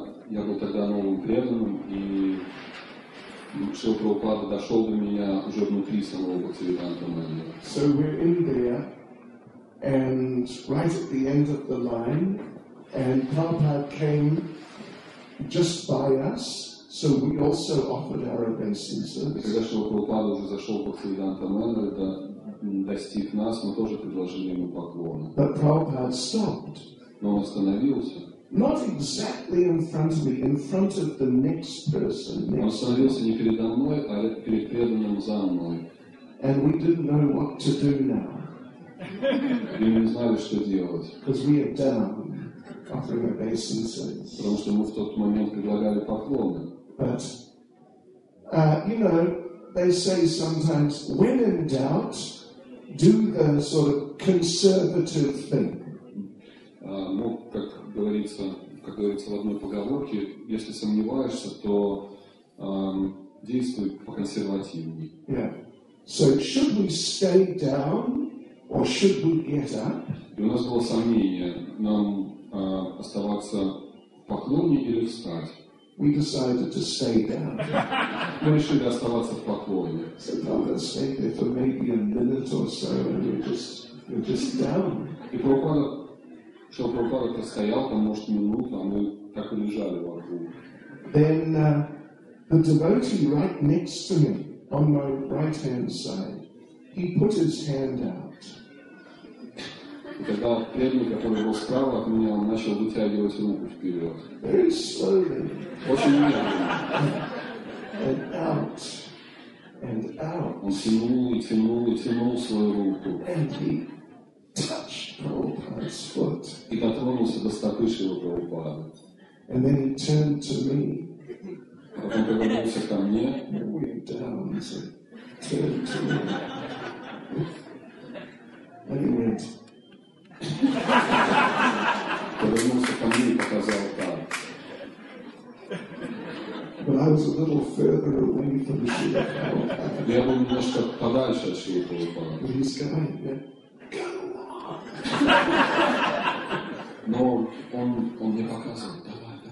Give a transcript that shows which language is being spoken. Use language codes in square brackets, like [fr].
[ru] Я был тогда новым преданным, и Шрила Прабхупада дошел до меня уже внутри самого Бхактивиданта Манора. [en] So we're in there, and right at the end of the line, and Prabhupada came just by us, so we also offered our obeisances. [ru] Когда Шрила Прабхупада уже зашел в Бхактивиданта Манор, это достиг нас, мы тоже предложили ему поклоны. [en] But Prabhupada stopped. [ru] Но он остановился. [en] Not exactly in front of me, in front of the next person. [ru] Он остановился не передо мной, а перед преданным за мной. [en] And we didn't know what to do now. [ru] И мы не знали, что делать. [en] Because we had done. Offering obeisances. [ru] Потому что мы в тот момент предлагали поклоны. [en] But, you know, they say sometimes, when in doubt, do the sort of conservative thing. [ru] Как говорится в одной поговорке, если сомневаешься, то действуй по-консервативнее. [en] Yeah. So should we stay down or should we get up? [ru] И у нас было сомнение, оставаться в поклоне или встать. [en] We decided to stay down. [ru] Мы решили оставаться в поклоне. [en] So Prabhupada stayed there for maybe a minute or so, and we're just down. [ru] И Прабхупада простоял там, может, минуту, а мы так и лежали в аду. [en] Then the devotee right next to me, on my right hand side, he put his hand out. [ru] И тогда преданный, который был справа от меня, он начал вытягивать руку вперед. [en] Very slowly. [ru] Очень медленно. [en] And out. And out. [ru] Он тянул свою руку. [en] And he touched Prabhupada's foot. [ru] И дотронулся до стопы Шрилы Прабхупады. [en] And then he turned to me. [ru] Потом повернулся ко мне. [en] And he turned to me. And he went. [ru] Повернулся ко мне и показал так. [en] But I was a little further away from Srila Prabhupada. [ru] Я был немножко подальше от Шрилы Прабхупады. [en] But he's going, yeah. Go on. [ru] Но он мне показывал, давай.